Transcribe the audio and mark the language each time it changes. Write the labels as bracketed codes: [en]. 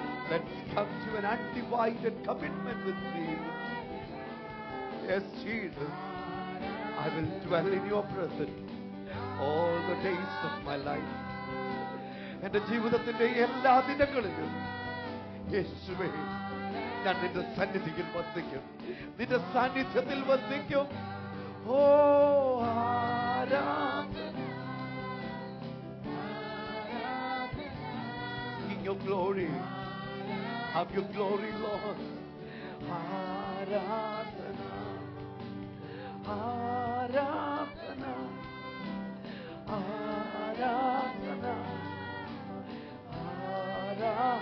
[en] Let's come to an undivided commitment with thee. Yes, Jesus, I will dwell in your presence all the days of my life. [ml] എന്റെ ജീവിതത്തിന്റെ എല്ലാ ദിനങ്ങളിലും യേശുവേ ഞാൻ നിന്റെ സന്നിധിയിൽ വസിക്കും, നിന്റെ സാന്നിധ്യത്തിൽ വസിക്കും. ഓ ആരാധന, [en] your glory. Have your glory, Lord. [ml] Aaradhana, aaradhana, aaradhana, aaradhana.